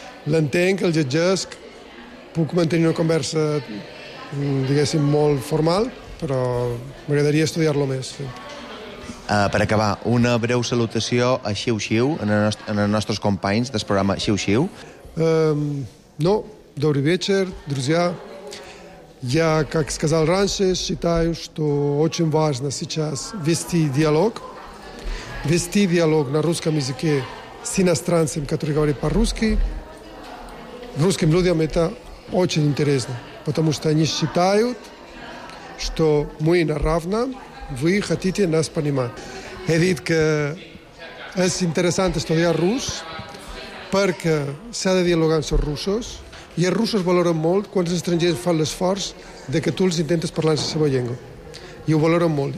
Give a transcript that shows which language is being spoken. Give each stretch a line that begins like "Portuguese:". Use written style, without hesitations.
Catalan: L'entenc, el llegesc. Puc mantenir una conversa, diguéssim, molt formal, però m'agradaria estudiar-lo més, sí. Per acabar, una breu salutació a Xiu Xiu, als nostres companys del programa Xiu Xiu.
Russian: No, добрый вечер, друзья. Я, как сказал раньше, считаю, что очень важно сейчас вести диалог. Вести диалог на русском языке с иностранцем, который говорит по-русски. Русским людям это очень интересно, потому что они считают, что мы на равном.
Catalan: Vull que t'hi anés per animar. He dit que és interessant estudiar rus perquè s'ha de dialogar amb els russos i els russos valoren molt quan els estrangers fan l'esforç de que tu els intentes parlar en la seva llengua. I ho valoren molt.